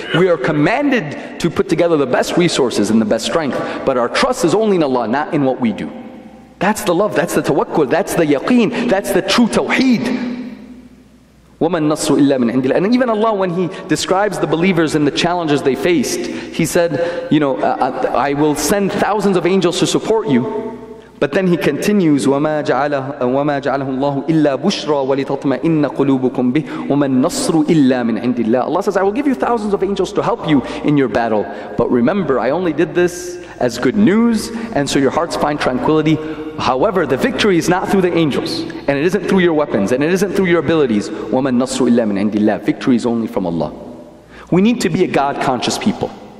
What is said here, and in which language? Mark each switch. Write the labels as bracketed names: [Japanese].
[English] We are commanded to put together the best resources and the best strength, but our trust is only in Allah, not in what we do. That's the love, that's the tawakkul, that's the yaqeen, that's the true tawheed. [Arabic] وَمَا النَّصْرُ إِلَّا مِنْ عِنْدِ اللَّهِ. [English] And even Allah, when He describes the believers and the challenges they faced, He said, you know, I will send thousands of angels to support you. But then He continues, [Arabic] وَمَا جَعَلَهُ اللَّهُ إِلَّا بُشْرًا وَلِتَطْمَئِنَّ قُلُوبُكُمْ بِهِ وَمَا النَّصْرُ إِلَّا مِنْ عِنْدِ اللَّهِ. [English] Allah says, I will give you thousands of angels to help you in your battle. But remember, I only did this as good news, and so your hearts find tranquility. However, the victory is not through the angels, and it isn't through your weapons, and it isn't through your abilities. [Arabic] وَمَا النَّصْرُ إِلَّا مِنْ عِنْدِ اللَّهِ. [English] Victory is only from Allah. We need to be a God-conscious people.